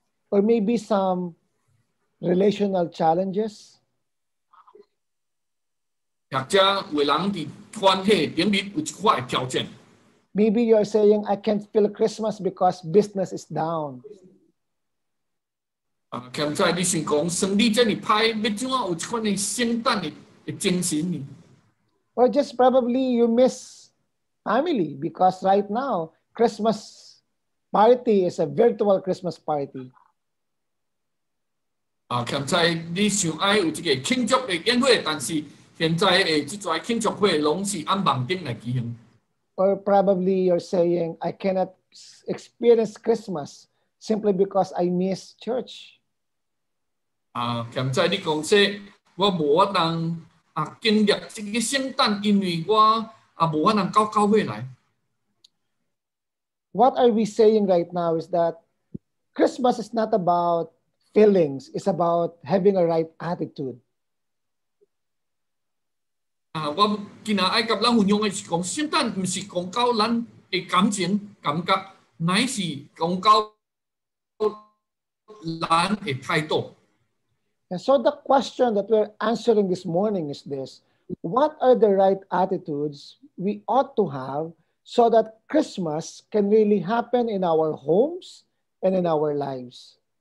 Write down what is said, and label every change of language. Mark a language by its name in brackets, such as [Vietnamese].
[English] Or maybe some relational challenges. Maybe you are saying, I can't feel Christmas because business is down. [Min Nan Chinese] 现在你想讲生意这么歹，要怎啊有这款的圣诞的精神呢 [English] ？Or just probably you miss family because right now Christmas party is a virtual Christmas party. [Min Nan Chinese] 现在你想爱有这个庆祝的宴会，但是现在的这些庆祝会拢是按网顶来举行。 [English] Or probably you're saying I cannot experience Christmas simply because I miss church. [Min Nan Chinese] 现在你讲说，我无法能经历这个圣诞，因为我无法能到教会来。 [English] What are we saying right now is that Christmas is not about feelings; it's about having a right attitude. [Min Nan Chinese] 我今仔爱甲咱运用的是讲，圣诞唔是讲到咱的感情感觉，乃是讲到咱的态度。 [English] And so the question that we're answering this morning is this. What are the right attitudes we ought to have so that Christmas can really happen in our homes and in our lives?